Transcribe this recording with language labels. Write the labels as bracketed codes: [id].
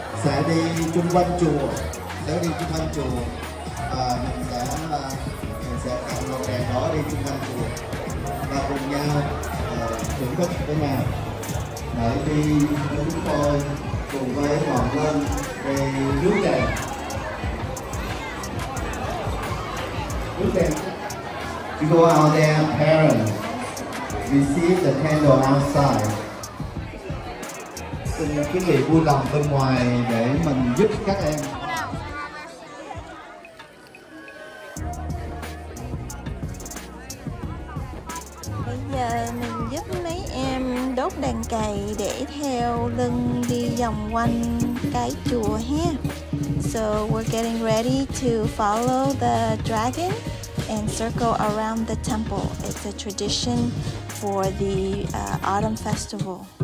[vi] sẽ đi chung quanh chùa, sẽ đi chung quanh chùa, và mình sẽ cầm lồng đèn đó đi chung quanh chùa và cùng nhau thưởng thức với nhau để đi với chúng tôi cùng với Hoàng Lân về rước đèn. [en] You go out there, parents. Receive the candle outside. [vi] Xin quý vị vui lòng bên ngoài để mình giúp các em. Bây giờ mình giúp mấy em đốt đèn cầy để theo lưng đi vòng quanh cái chùa ha. [en] So we're getting ready to follow the dragon and circle around the temple. It's a tradition for the autumn festival.